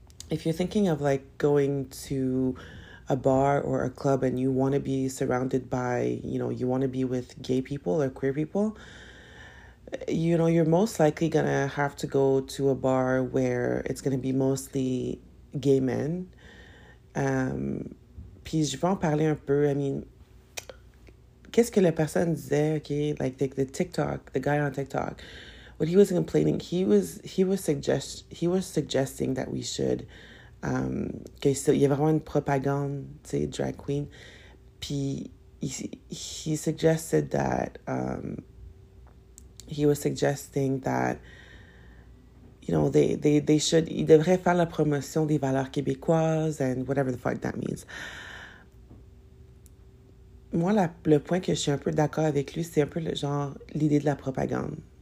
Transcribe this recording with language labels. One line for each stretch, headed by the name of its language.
English: If you're thinking of like going to a bar or a club and you want to be surrounded by, you want to be with gay people or queer people, you're most likely gonna have to go to a bar where it's gonna be mostly gay men.
French: Puis je vais en parler un peu.
English: I mean,
French: qu'est-ce que la personne disait, OK?
English: Like the TikTok, the guy on TikTok. But he was complaining. He was suggesting that we should
French: que ça, il y a vraiment une propagande, tu sais, drag queen.
English: Puis he suggested that he was suggesting that they should
French: ils devraient faire la promotion des valeurs québécoises
English: and whatever the fuck that means.
French: Moi, le point que je suis un peu d'accord avec lui, c'est un peu le genre l'idée de la propagande.